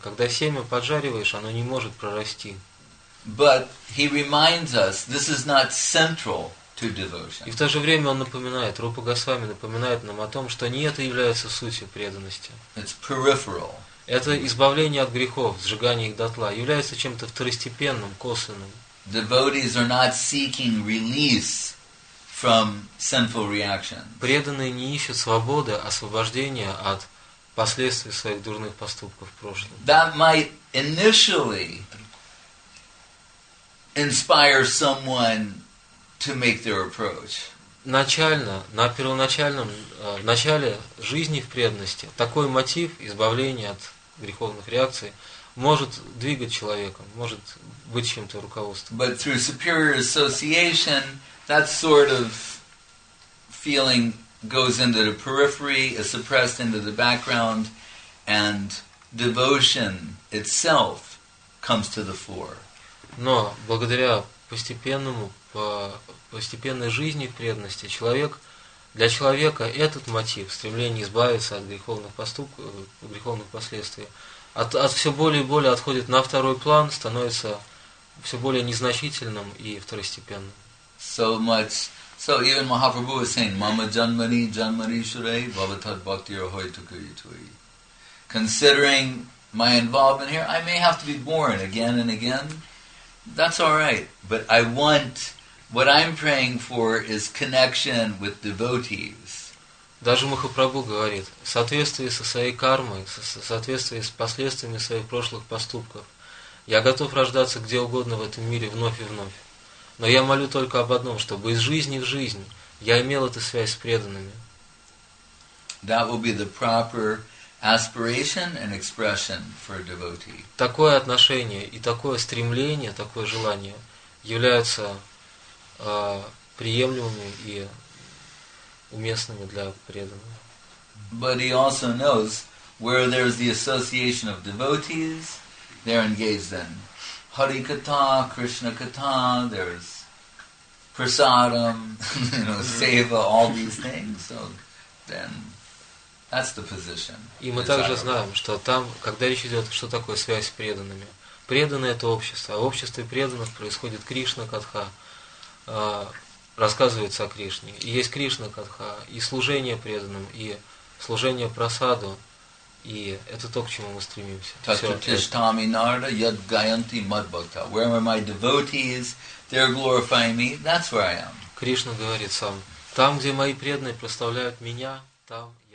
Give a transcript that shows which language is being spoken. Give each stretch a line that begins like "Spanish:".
Russian: Когда семя поджариваешь, оно не может прорасти.
English: But he reminds us, this is not central to devotion.
Russian: И в то же время он напоминает, Рупа Госвами напоминает нам о том, что не это является сутью преданности.
English: It's peripheral.
Russian: Это избавление от грехов, сжигание их дотла, является чем-то второстепенным, косвенным.
English: Devotees are not seeking release from sinful reactions.
Russian: Преданные не ищут свободы, освобождения от последствий своих дурных поступков в прошлом.
English: That might initially inspire someone to make their approach.
Russian: Начально, на первоначальном начале жизни в преданности такой мотив избавления от греховных реакций может двигать человеком, может быть чем-то руководством.
English: But through superior association, that sort of feeling goes into the periphery, is suppressed into the background, and devotion itself comes to the fore.
Russian: Но благодаря постепенной жизни в преданности человек, для человека этот мотив, стремление избавиться от греховных поступков, греховных последствий, от все более и более отходит на второй план, становится все более незначительным и второстепенным.
English: So much. So even Mahaprabhu is saying,
Sanskrit: Mama Janmani, Janmani Shurai, Bhavatad Bhakti Rahoi Tukuri Tui.
English: Considering my involvement here, I may have to be born again and again. That's all right. But I want. What I'm praying for is connection with devotees.
Russian: Даже Махапрабху говорит, в соответствии со своей кармой, в соответствии с последствиями своих прошлых поступков, я готов рождаться где угодно в этом мире вновь и вновь. Но я молю только об одном, чтобы из жизни в жизнь я имел эту связь с преданными.
English: That will be the proper aspiration and expression for a devotee.
Russian: Такое отношение и такое стремление, такое желание являются приемлемыми и уместными для преданных.
English: But he also knows where there is the association of devotees, they're engaged in Hari Katha, Krishna Katha, there's prasadam, you know, seva, all these things. So then That's the position.
Russian: И мы также знаем, что там, когда речь идет, что такое связь с преданными. Преданное – это общество, а в обществе преданных происходит Кришна-катха, рассказывается о Кришне. И есть Кришна-катха, и служение преданным, и служение прасаду, и это то, к чему мы стремимся.
Sanskrit: Таттиштами нарда яд гаянти мадбхакта.
English: Wherever my devotees, they're glorifying me, that's where I am.
Russian: Кришна говорит сам, там, где мои преданные прославляют меня, там...